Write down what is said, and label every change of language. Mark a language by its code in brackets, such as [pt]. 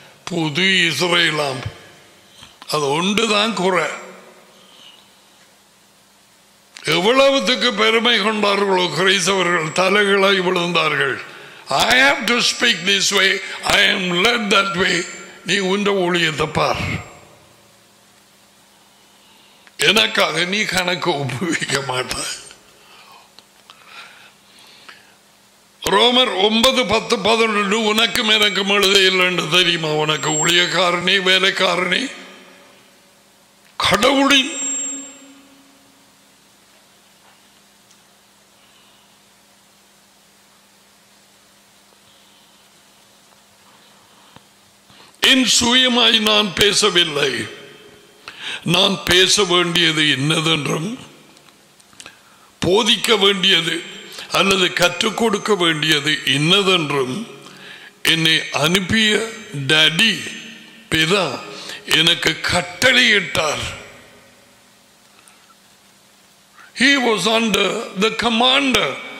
[ta] புது இஸ்ரேலாம் அது ஒன்றுதான் குறை. எவ்வளவுக்கு பெருமை கொண்டார்களோ கிறிஸ்தவர்கள் தலைகளாய் விழுந்தார்கள். [en] I have to speak this way, I am led that way. [ta] நீ உன் ஊழியத்தை பார், எனக்காக நீ கணக்கு ஒப்புவிக்க மாட்டாய். ரோமர் 9:10-11 உனக்கும் எனக்கும் எழுத இல்லைன்னு தெரியுமா? உனக்கு ஊழியக்காரனே வேலைக்காரனே கடவுளின் என் சுயமாய் நான் பேசவில்லை, நான் பேச வேண்டியது என்னதென்றும் போதிக்க வேண்டியது அல்லது கற்றுக் கொடுக்க வேண்டியது இன்னதென்றும் என்னை அனுப்பிய டாடி பிதா எனக்கு கட்டளையிட்டார். [en] He was under the commander.